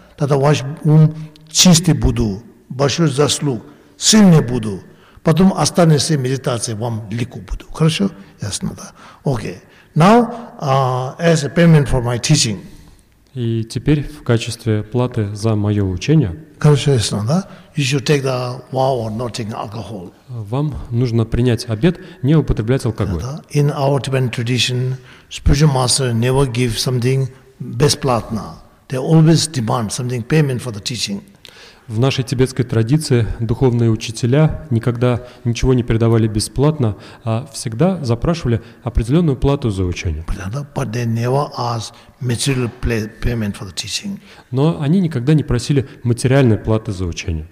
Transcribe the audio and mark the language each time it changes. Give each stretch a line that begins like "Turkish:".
Russian: Тогда ваш ум чистый буду, большой заслуг, сильный буду, потом останешься медитацией, вам легко буду. Хорошо? Ясно, да? Окей.
English: Now, as a payment for my teaching.
Russian: И теперь в качестве платы за мое учение. Хорошо, ясно, да?
English: You should take the vow or not taking alcohol.
Russian: Вам нужно принять обет не употреблять алкоголь. Да, да?
English: In our Tibetan tradition, spiritual master never give something
Russian: бесплатно.
English: They always demand something payment for the teaching.
Russian: В нашей тибетской традиции духовные учителя никогда ничего не передавали бесплатно, а всегда запрашивали определенную плату за учение.
English: But they never ask material payment for the teaching.
Russian: Но они никогда не просили материальной платы за учение.